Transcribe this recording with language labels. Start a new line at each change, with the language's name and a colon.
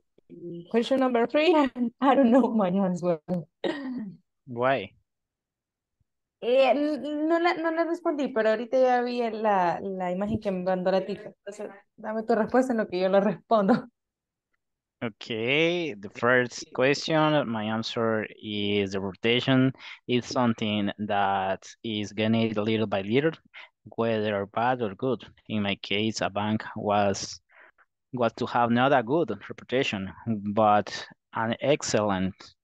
English: And question number three, I don't know my answer. Why?
Spanish: No la respondí, pero ahorita ya vi la imagen que me mandó la tita. Entonces, dame tu respuesta en lo que yo lo respondo.
English: Okay, the first question, my answer is the rotation is something that is gained little by little, whether bad or good. In my case, a bank was to have not a good reputation, but an excellent.